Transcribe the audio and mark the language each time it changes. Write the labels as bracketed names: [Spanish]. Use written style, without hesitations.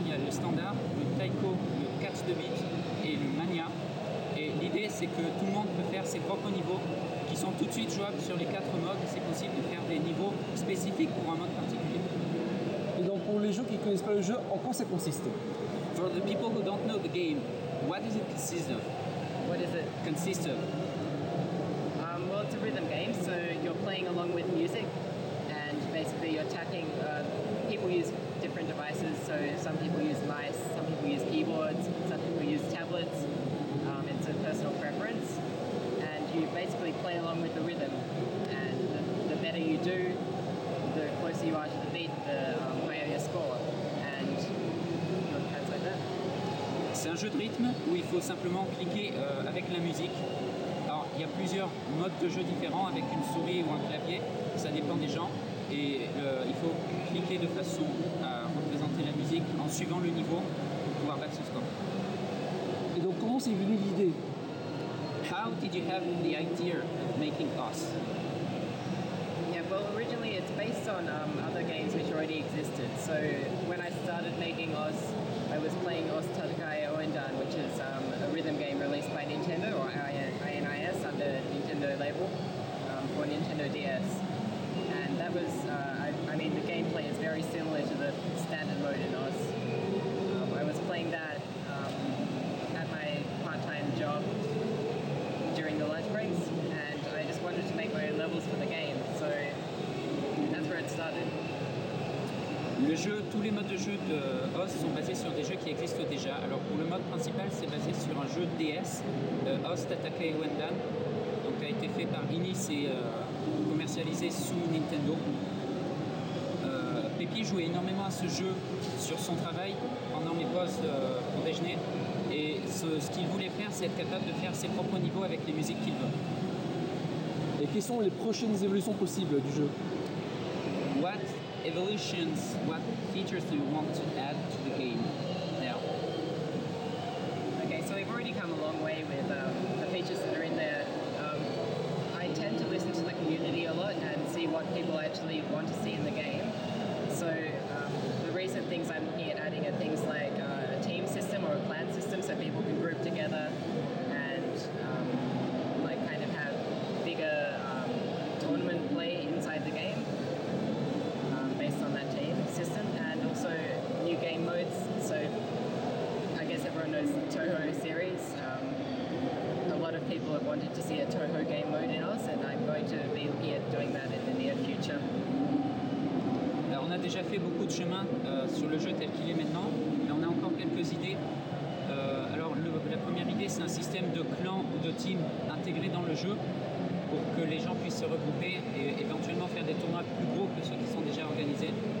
[French] Il y a le standard, le Taiko, le Catch the Beat et le Mania. Et l'idée, c'est que tout le monde peut faire ses propres niveaux qui sont tout de suite jouables sur les quatre modes. C'est possible de faire des niveaux spécifiques pour un mode particulier. Et donc pour les gens qui ne connaissent pas le jeu, en quoi ça consiste? [English] For the people who don't know the game, what does it consist of? What is it? Consist of? Well, it's a rhythm game, so you're playing along with music, and basically you're attacking. People use different devices, so some people use mice, some people use keyboards, some people use tablets. It's a personal preference, and you basically play along with the rhythm, and the better you do, the closer you are to the beat, the higher your score. And your hands like that. [French] C'est un jeu de rythme où il faut simplement cliquer avec la musique. Alors, il y a plusieurs modes de jeu différents avec une souris ou un clavier, ça dépend des gens. Et il faut cliquer de façon à représenter la musique en suivant le niveau pour pouvoir battre ce score. Et donc, comment c'est venu l'idée? [English] How did you have the idea of making OS? Well, originally it's based on other games which already existed. So when I started making OS, I was playing OS Tadakai Oendan, which is a rhythm game released by Nintendo, or INIS under Nintendo label, for Nintendo DS. And that was, the gameplay is very similar to the standard mode in OS. I was playing that at my part-time job during the lunch breaks, and I just wanted to make my own levels for the game. So that's where it started. [French] Le jeu, tous les modes de jeu de OS sont basés sur des jeux qui existent déjà. Alors pour le mode principal, c'est basé sur un jeu DS, OS Tadakai Oendan, donc qui a été fait par Inis et commercialisé sous Nintendo. Pepi jouait énormément à ce jeu sur son travail pendant les pauses pour déjeuner. Et ce qu'il voulait faire, c'est être capable de faire ses propres niveaux avec les musiques qu'il veut. Et quelles sont les prochaines évolutions possibles du jeu? [English] What evolutions, what features do you want to add to the game now? Okay, so we've already come a long way with the features that are in there. I tend to listen to the community a lot and see what people actually want to see in the game. So the recent things I'm looking at adding are things like a team system or a clan system so people can group together and like kind of have bigger tournament play inside the game. Based on that team system, and also new game modes. So I guess everyone knows the Toho series. A lot of people have wanted to see a Toho game mode in OS, and I'm going to be looking at doing that in the near future. [French] Alors, on a déjà fait beaucoup de chemin sur le jeu tel qu'il est maintenant, mais on a encore quelques idées. Alors la première idée, c'est un système de clan ou de team intégré dans le jeu, pour que les gens puissent se regrouper et éventuellement faire des tournois plus gros que ceux qui sont déjà organisés.